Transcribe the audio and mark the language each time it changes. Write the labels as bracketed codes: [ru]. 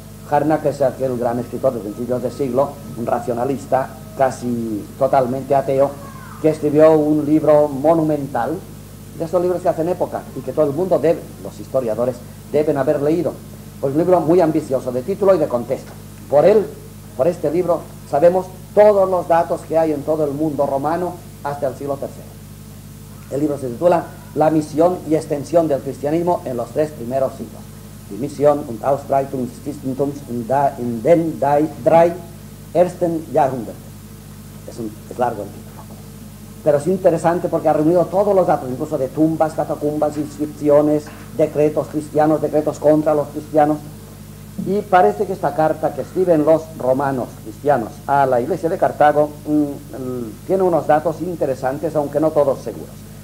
[es] Harnack es aquel gran escritor de principios de siglo, un racionalista, casi totalmente ateo, que escribió un libro monumental, de esos libros que hacen época, y que todo el mundo debe, los historiadores, deben haber leído. Pues un libro muy ambicioso, de título y de contexto. Por él, por este libro, sabemos todos los datos que hay en todo el mundo romano, hasta el siglo III. El libro se titula La misión y extensión del cristianismo en los tres primeros siglos. [de] Die Mission und Ausbreitung des Christentums in den drei ersten Jahrhunderten. [es] Es largo el título. Pero es interesante porque ha reunido todos los datos, incluso de tumbas, catacumbas, inscripciones, decretos cristianos, decretos contra los cristianos. Y parece que esta carta que escriben los romanos cristianos a la iglesia de Cartago tiene unos datos interesantes, aunque no todos seguros.